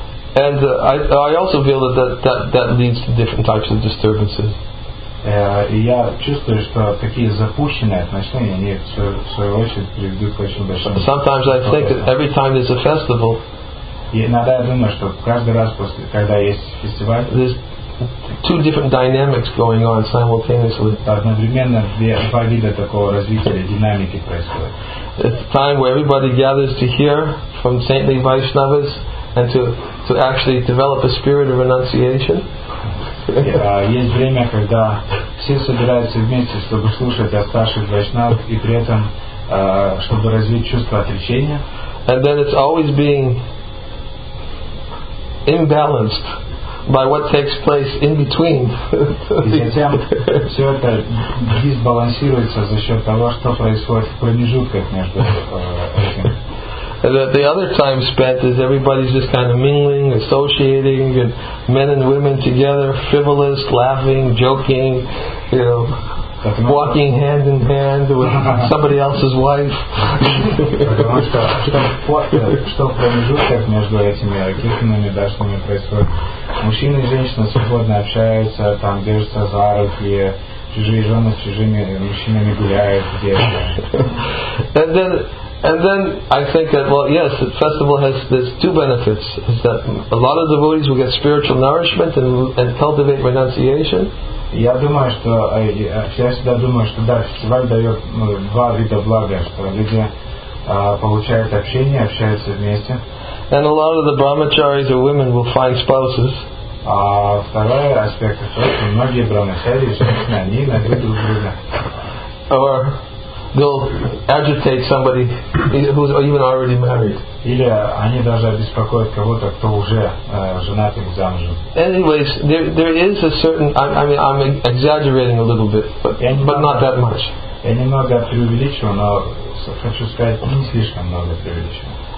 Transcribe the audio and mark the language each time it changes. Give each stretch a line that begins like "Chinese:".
English: and I also feel that leads to different types of disturbances.
Russian: Я чувствую, что такие запущенные отношения, они в свою очередь приведут к очень большим.
English: Sometimes I think that every time there's a festival,
Russian: иногда я думаю, что каждый раз после, когда есть фестиваль,
English: there's two different dynamics going on simultaneously.
Russian: Одновременно два вида такого развития динамики происходит.
English: It's a time where everybody gathers to hear from saintly Vaishnavas and to actually develop a spirit of renunciation.
Russian: Есть время, когда все собираются вместе, чтобы слушать от старших Вайшнав и при этом чтобы развить чувство отречения.
English: And then it's always being imbalanced by what takes place in between.
Russian: Все это дисбалансируется за счет того, что происходит в промежутках между этим.
English: The other time spent is everybody's just kind of mingling, associating, and men and women together, frivolous, laughing, joking, you know, walking hand in hand with somebody else's wife.
Russian: Потому что в промежутках между этими кихонами, да, что мне происходит? Мужчины и женщины свободно общаются, там держатся за руки, чужие жены с чужими мужчинами гуляют где-то.
English: And then I think that, well, yes, the festival has two benefits, is that a lot of devotees will get spiritual nourishment and cultivate renunciation.
Russian: Я думаю, что я всегда думаю, что да, фестиваль дает два вида блага, что люди получают общение, общаются вместе.
English: And a lot of the brahmacharis or women will find spouses.
Russian: А второй аспект в том, что многие брахмачари, женщины, они найдут друг друга.
English: Or they'll agitate somebody who's even already married.
Russian: Или они даже обеспокоят кого-то, кто уже женат или замужем.
English: Anyways, there is a certain, I mean, I'm exaggerating a little bit, but not that much.
Russian: Я немного преувеличил, но хочу сказать, не слишком много преувеличил.